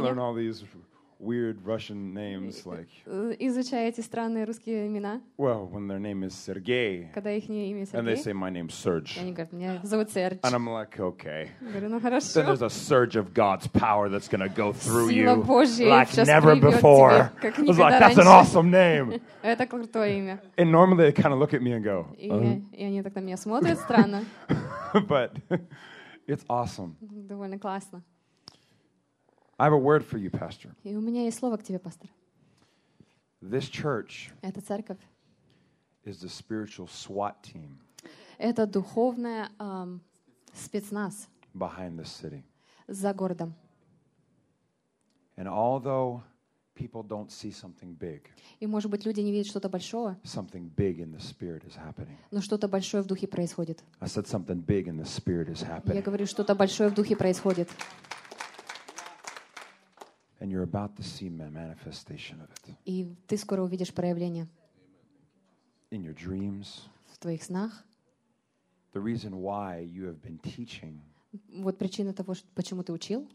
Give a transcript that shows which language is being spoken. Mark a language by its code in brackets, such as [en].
[en] To learn all these weird Russian names, like. [ru] Изучая эти странные русские имена. [en] Well, when their name is Sergey. [ru] Когда их имя Сергей. [en] And they say my name's Serge. [ru] Они говорят, меня зовут Серж. [en] And I'm like, okay. [ru] Говорю, ну хорошо. [en] Then there's a surge of God's power that's gonna go through you. [ru] Сила Божья. [en] Like never before. [ru] Как никогда раньше. [en] That's an awesome name. [ru] Это крутое имя. [en] And normally they kind of look at me and go. [ru] И они так на меня смотрят странно. [en] But it's awesome. [ru] Довольно классно. [en] I have a word for you, pastor. [ru] И у меня есть слово к тебе, пастор. [en] This church. [ru] Эта церковь. [en] Is the spiritual SWAT team. [ru] Это духовная спецназ. [en] Behind the city. [ru] За городом. [en] And although people don't see something big. [ru] И может быть люди не видят что-то большое. [en] Something big in the spirit is happening. [ru] Но что-то большое в духе происходит. [en] I said something big in the spirit is happening. [ru] Я говорю, что-то большое в духе происходит. [en] And you're about to see a manifestation of it. [ru] И ты скоро увидишь проявление. [en] In your dreams. [ru] В твоих снах. [en] The reason why you have been teaching. [ru] Вот причина того, почему ты учил.